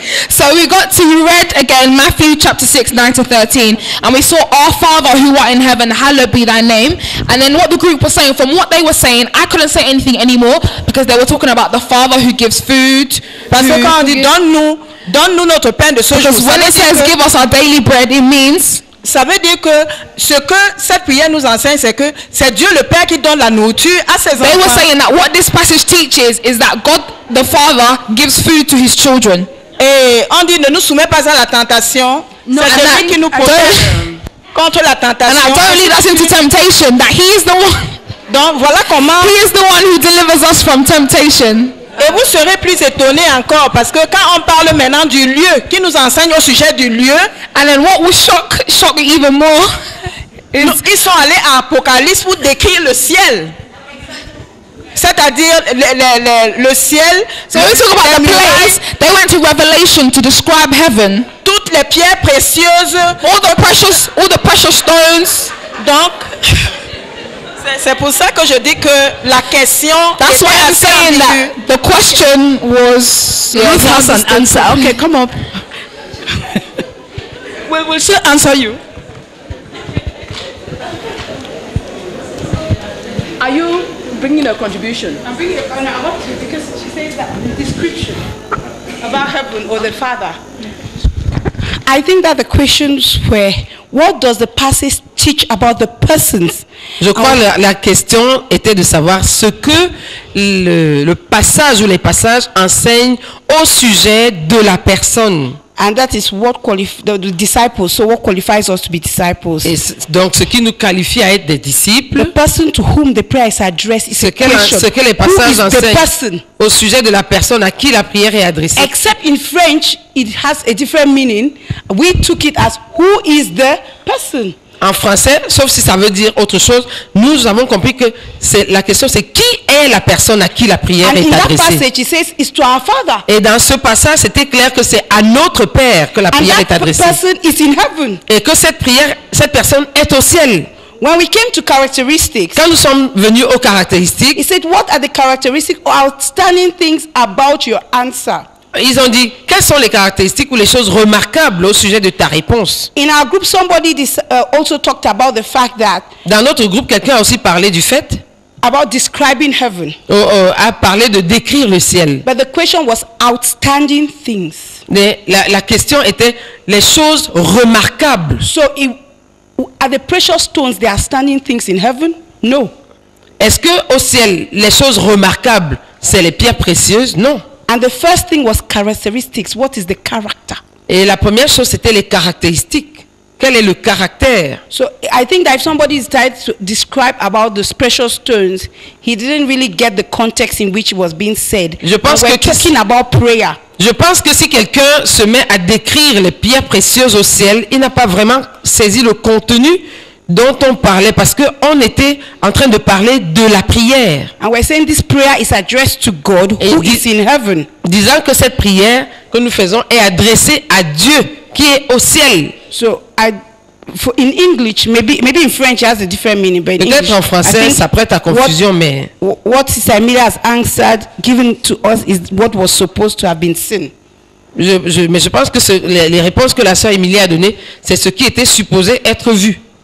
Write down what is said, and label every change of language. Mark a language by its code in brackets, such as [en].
[en] So we read again Matthew chapter 6, 9 to 13, and we saw our Father who art in heaven, hallowed be thy name. And then what the group was saying, from what they were saying, I couldn't say anything anymore because they were talking about the Father who gives food. [fr] Parce que quand on dit donne-nous notre pain de ce jour. [en] Because when it says give us our daily bread, it means. [fr] Ça veut dire que ce que cette prière nous enseigne, c'est que c'est Dieu le Père qui donne la nourriture à ses enfants. [en] They were saying that what this passage teaches is that God the Father gives food to his children. [fr] Et on dit ne nous soumets pas à la tentation. No, c'est lui qui nous protège contre la tentation. [en] And I don't lead us into temptation, that he is the one. [fr] Donc voilà comment. [en] He is the one who delivers us from temptation. [fr] Et vous serez plus étonné encore parce que quand on parle maintenant du lieu, qui nous enseigne au sujet du lieu, [en] and then what will shock me even more, [fr] is ils sont allés à Apocalypse pour décrire le ciel. C'est-à-dire le ciel. [en] So we talk about the place. They went to Revelation to describe heaven. [fr] Toutes les pierres précieuses. [en] All the precious stones. [fr] Donc, c'est pour ça que je dis que la question. [en] That's why I'm saying that the question was. Ruth has an answer. Okay, come up. We'll still answer you. Are you bringing a contribution? I'm bringing a contribution because she says that description about heaven or the Father. I think that the questions were, what does the passage teach about the persons? [fr] Je crois que la question était de savoir ce que le passage ou les passages enseignent au sujet de la personne. [en] And that is what the disciples. So what qualifies us to be disciples? [fr] Et donc ce qui nous qualifie à être des disciples. [en] The person to whom the prayer is addressed is a question. [fr] Ce que les passages enseignent au sujet de la personne à qui la prière est adressée. [en] Except in French, it has a different meaning. We took it as who is the person. [fr] En français, sauf si ça veut dire autre chose, nous avons compris que c'est la question, c'est qui est la personne à qui la prière [en] and [fr] est adressée. [en] Passage, says, it's to our Father. [fr] Et dans ce passage, c'était clair que c'est à notre Père que la prière est adressée. [en] Person is in heaven. [fr] Et que cette prière, cette personne est au ciel. [en] When we came to characteristics, [fr] quand nous sommes venus aux caractéristiques, [en] he said, what are the characteristics or outstanding things about your answer? [fr] Ils ont dit, quelles sont les caractéristiques ou les choses remarquables au sujet de ta réponse? [en] In our group, somebody also talked about the fact that [fr] dans notre groupe, quelqu'un a aussi parlé du fait [en] about describing heaven. [fr] A parlé de décrire le ciel. [en] But the question was outstanding things. [fr] Mais la question était les choses remarquables. [en] So, are the precious stones the outstanding things in heaven? No. [fr] Est-ce que au ciel, les choses remarquables, c'est les pierres précieuses? Non. [en] And the first thing was characteristics. What is the character? [fr] Et la première chose c'était les caractéristiques. Quel est le caractère? [en] So I think that if somebody is trying to describe about the special stones, he didn't really get the context in which it was being said. [fr] Je pense [en] we're [fr] que [en] talking about prayer. [fr] Je pense que si quelqu'un se met à décrire les pierres précieuses au ciel, il n'a pas vraiment saisi le contenu dont on parlait parce que on était en train de parler de la prière. [en] And we're saying this prayer is addressed to God who is in heaven. [fr] Disant que cette prière que nous faisons est adressée à Dieu qui est au ciel. [en] So in English, maybe in French it has a different meaning, but [fr] peut-être [en] English, [fr] en français ça prête à confusion, [en] what, [fr] mais [en] what Sister Emilia has answered given to us is what was supposed to have been seen. [fr] Mais je pense que les réponses que la sœur Emilia a données, c'est ce qui était supposé être vu.